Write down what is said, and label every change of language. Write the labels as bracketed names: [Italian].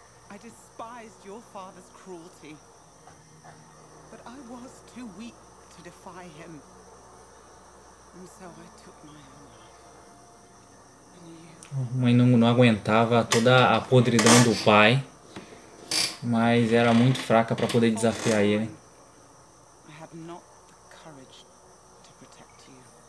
[English] I despised your father's cruelty. But I was too weak to defy him. And so I took my own. [Portuguese] Mãe não aguentava toda a podridão do pai, mas era muito fraca para poder desafiar ele. [English] I have not the courage to protect you.